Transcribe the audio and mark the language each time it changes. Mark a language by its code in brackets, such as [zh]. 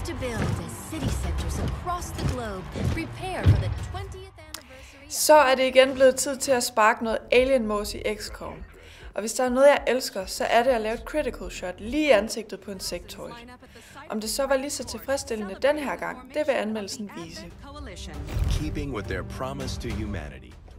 [en] to build as city centers across the globe prepare for the 20th. [da] Så er det igen blevet tid til at sparke noget alien-mås i XCOM. Og hvis der er noget, jeg elsker, så er det at lave et critical shot lige i ansigtet på en sektoid. Om det så var lige så tilfredsstillende den her gang, det vil anmeldelsen vise. [en] Keeping with their promise to humanity.